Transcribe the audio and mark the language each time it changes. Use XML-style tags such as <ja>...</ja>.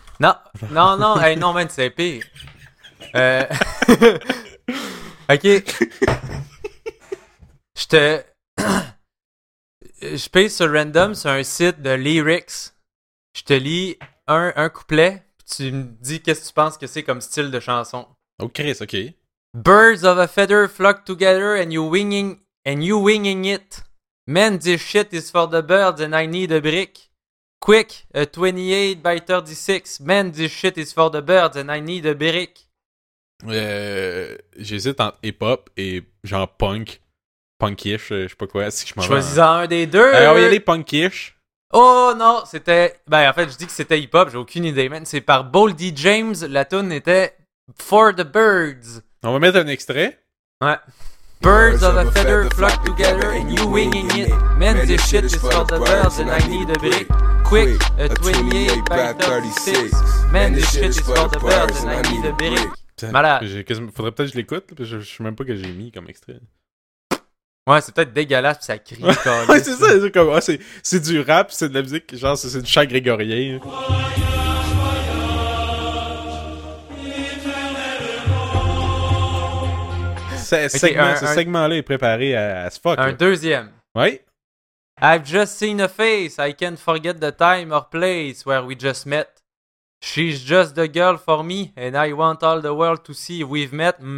<fr>Non, non, non, hey, non, man, c'est pire. OK. Je pèse sur random sur un site de lyrics. Je te lis un couplet, puis tu me dis qu'est-ce que tu penses que c'est comme style de chanson. Oh Chris, ok.</fr> <en>Birds of a feather flock together and you winging it. Man, this shit is for the birds and I need a brick. Quick, a 28 by 36. Man, this shit is for the birds and I need a brick.</en> <fr>J'hésite entre hip-hop et genre punk. Punkish, je sais pas quoi. Si je m'en Choisis-en un des deux. On va y aller punkish. Oh non, c'était... Ben en fait, je dis que c'était hip-hop, j'ai aucune idée, man. C'est par Boldy James, la tune était For the Birds. On va mettre un extrait. Ouais.</fr> <en>Birds of a feather flock together and you winging it. Man, this shit is for the birds and I need a brick. Quick, a 28 by 36. Man, this shit is for the birds and I need a brick.</en> <fr>Malade. Faudrait peut-être que je l'écoute, là, parce que je sais même pas que j'ai mis comme extrait. Ouais, c'est peut-être dégueulasse, pis ça crie. Ouais, c'est ça, c'est comme, ah, c'est du rap, pis c'est de la musique, genre, c'est du chant grégorien. Hein. Ce segment-là est préparé à se fuck. Un deuxième. Oui.</fr> <en>I've just seen a face, I can't forget the time or place where we just met. She's just the girl for me, and I want all the world to see if we've met.</en>